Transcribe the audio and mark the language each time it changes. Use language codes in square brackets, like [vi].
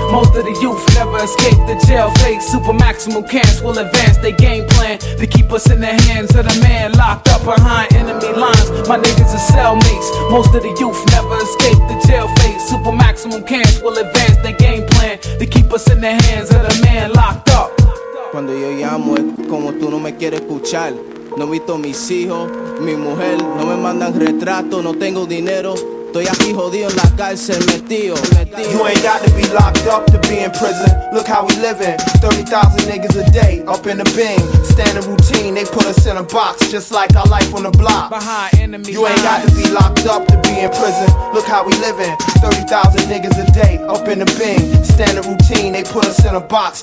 [en] Most of the youth never escape the jail fate. Super maximum cans will advance their game plan to keep us in the hands of the man. Locked up behind enemy lines, my niggas are cellmates. Most of the youth never escape the jail fate. Super maximum cans will advance their game plan to keep us in the hands of the man. Locked up. [es] Cuando yo llamo es como tú no me quieres escuchar. No he visto mis hijos, mi mujer. No me mandan retratos, no tengo dinero. Estoy aquí jodido en la cárcel, metido. [en] You ain't got to be locked up to be in prison. Look how we living. 30,000 niggas a day up in the bin. Standard routine, they put us in a box. Just like our life on the block. Behind enemy you ain't got to be locked up to be in prison. Look how we living. 30,000 niggas a day up in the bin. Standard routine, they put us in a box.